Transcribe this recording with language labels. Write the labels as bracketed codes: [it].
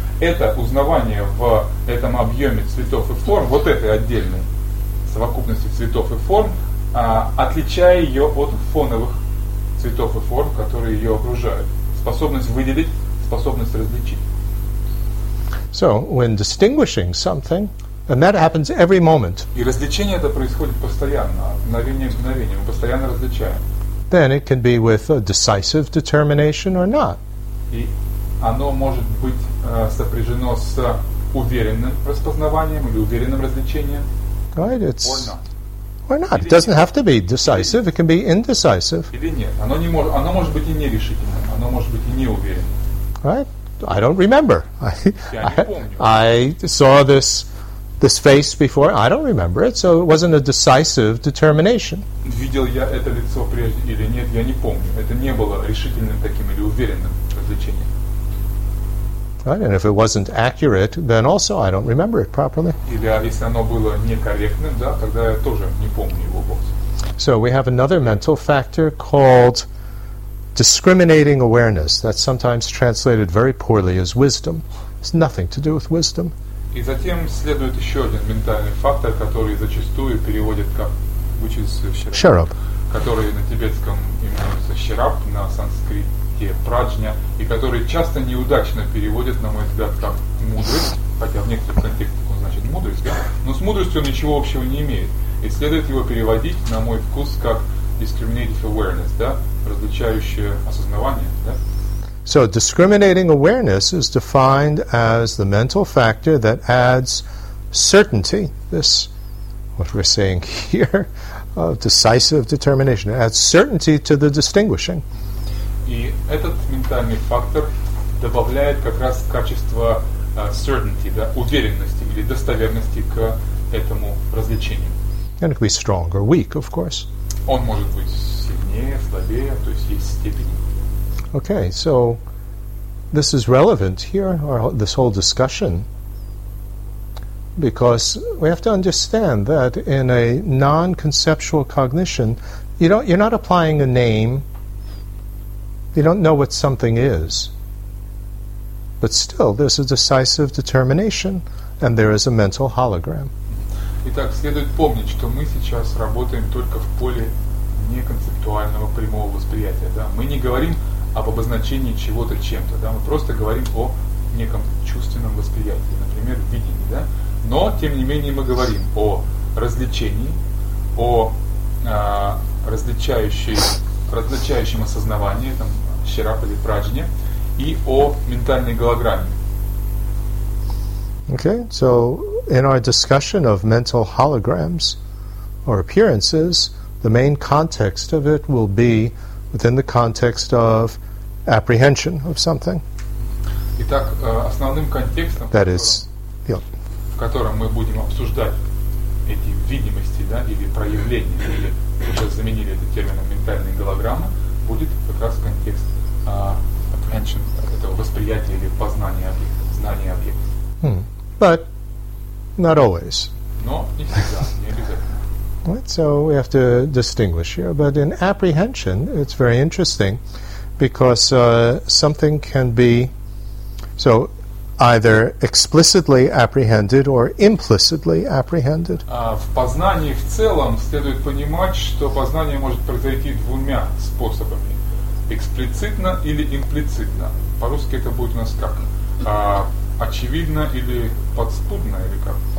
[ru] Это узнавание в этом объеме цветов и форм, вот этой отдельной совокупности цветов и форм, отличая ее от фоновых цветов и форм, которые ее окружают. Способность выделить, способность различить. [en] So, when distinguishing something, and that happens every moment, [ru] и различение это происходит постоянно, мгновение в мгновение, мы постоянно различаем. [en] Then it can be with a decisive determination or not. [ru] И оно может быть сопряжено с уверенным распознаванием или уверенным различением. [en] Right, it's or not. It doesn't have to be decisive, it can be indecisive. [ru] Или нет. Оно может быть и нерешительным, оно может быть и неуверенным. [en] Right? I don't remember. I saw this face before. I don't remember it, so it wasn't a decisive determination. [ru] Видел я это лицо прежде или нет, я не помню. Это не было решительным таким или уверенным различением. [en] Right, and if it wasn't accurate, then also I don't remember it properly. [ru] Или если оно было некорректным, да, тогда я тоже не помню его вовсе. [en] So we have another mental factor called discriminating awareness, that's sometimes translated very poorly as wisdom. It's nothing to do with wisdom. [ru] И затем следует еще один ментальный фактор, который зачастую переводят как [en] which is [bo] sharab, [ru] который на тибетском именуется sharab, на санскрите праджня, и который часто неудачно переводят, на мой взгляд, как мудрость, хотя в некоторых контекстах он значит мудрость, да? Но с мудростью он ничего общего не имеет. И следует его переводить, на мой вкус, как [en] discriminative awareness, [ru] да, различающее осознавание, да? [en] So discriminating awareness is defined as the mental factor that adds certainty, this, what we're saying here, decisive determination, adds certainty to the distinguishing. [ru] И этот ментальный фактор добавляет как раз качество certainty, да, уверенности или достоверности к этому различению. [en] And it can be strong or weak, of course. [ru] Он может быть сильнее, слабее, то есть есть степени. [en] Okay, so this is relevant here, our, this whole discussion, because we have to understand that in a non-conceptual cognition, you're not applying a name, you don't know what something is, but still there's a decisive determination and there is a mental hologram. [ru] Итак, следует помнить, что мы сейчас работаем только в поле неконцептуального прямого восприятия, да? Мы не говорим об обозначении чего-то чем-то, да, мы просто говорим о неком чувственном восприятии, например, видении, да, но, тем не менее, мы говорим о различении, о различающем осознавании, там, щерап или праджне, и о ментальной голограмме. [en] Okay, so, in our discussion of mental holograms, or appearances, the main context of it will be within the context of apprehension of something. [ru] Итак, основным контекстом, [en] that is, [ru] в котором мы будем обсуждать эти видимости, да, или проявления, или уже заменили этот термин ментальной голограммы, будет как раз контекст apprehension, этого восприятия или познания объекта, знания объекта. [en] Hmm. But not always. [ru] Но не всегда, не обязательно. [en] Right, so we have to distinguish here. But in apprehension, it's very interesting because something can be so either explicitly apprehended or implicitly apprehended. [ru] В познании в целом следует понимать, что познание может произойти двумя способами: эксплицитно или имплицитно. По-русски это будет у нас как очевидно или подспудно, или как?